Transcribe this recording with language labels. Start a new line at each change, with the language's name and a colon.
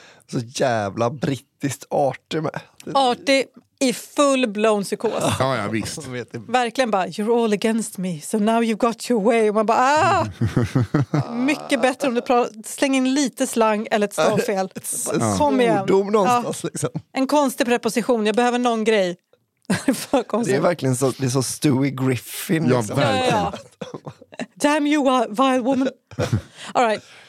Swedish: Så jävla brittiskt artig med. Artig i
English: full blown
Swedish: psykos. Ja, ja, visst. Verkligen bara,
English: you're all against me, so now you've got your way.
Swedish: Och man bara, ah! Mycket bättre om du slänger in lite slang eller ett stavfel. Kom igen. Ordom någonstans, ja. Liksom. En konstig preposition, jag behöver någon grej. Det är verkligen så, det är så Stewie Griffin. Ja, verkligen. Ja, ja.
English: Damn you, vile woman. All right.